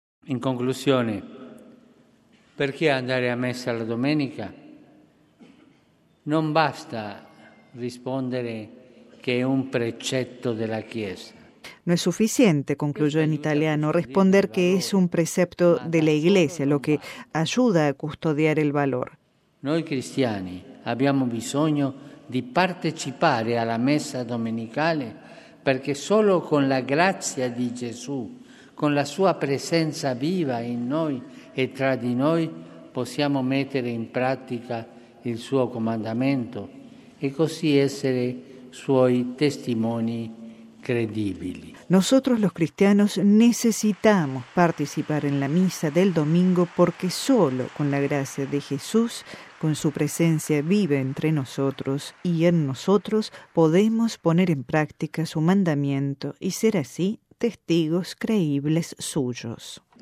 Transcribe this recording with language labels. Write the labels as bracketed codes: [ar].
[es] En conclusión, ¿por qué andar a misa [it] la domenica? [es] No basta responder que es un precepto de la [it] Chiesa. [es] No es suficiente, concluyó en italiano, responder que es un precepto de la Iglesia, lo que ayuda a custodiar el valor. [it] Noi cristiani abbiamo bisogno di partecipare alla messa domenicale perché solo con la grazia di Gesù, con la sua presenza viva in noi e tra di noi, possiamo mettere in pratica il suo comandamento e così essere suoi testimoni credibili. [es] Nosotros los cristianos necesitamos participar en la misa del domingo porque solo con la gracia de Jesús, con su presencia viva entre nosotros y en nosotros, podemos poner en práctica su mandamiento y ser así testigos creíbles suyos.